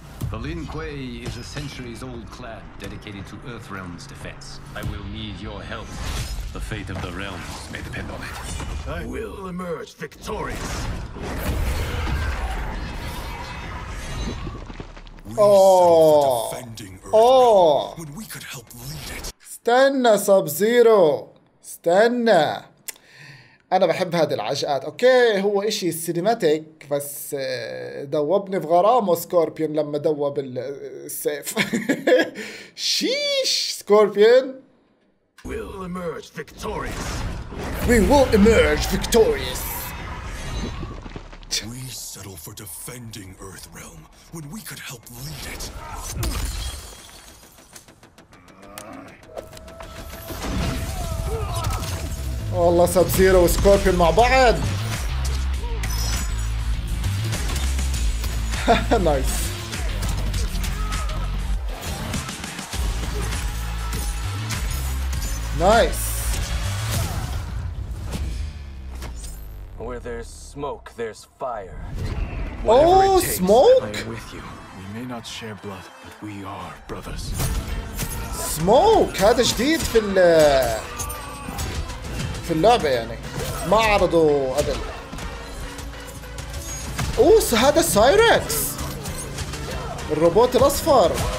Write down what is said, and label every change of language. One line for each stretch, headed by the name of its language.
English: The Lin Kuei is a centuries-old clan dedicated to Earthrealm's defense. I will need your help. The fate of the realms may depend on it. I will emerge victorious. We defending Earth. When we could help lead it.
Arabic: استنى Sub-Zero. استنى. أنا بحب هذه العجقات، أوكي هو إشي سينيماتيك بس دوبني في غرامه سكوربيون لما دوب السيف. شيش سكوربيون.
English: We'll emerge victorious. We will emerge victorious. We settle for defending Earth Realm when we could help lead it.
Arabic: والله سب زيرو وسكوربيون مع بعض. نايس. نايس.
English: Where there's smoke, there's fire. Oh, smoke. I'm with you. We may not share blood, but we are brothers.
Arabic: Smoke. هذا جديد في ال. في اللعبة يعني ما عرضوا قبل. اوه هذا سايركس الروبوت الاصفر.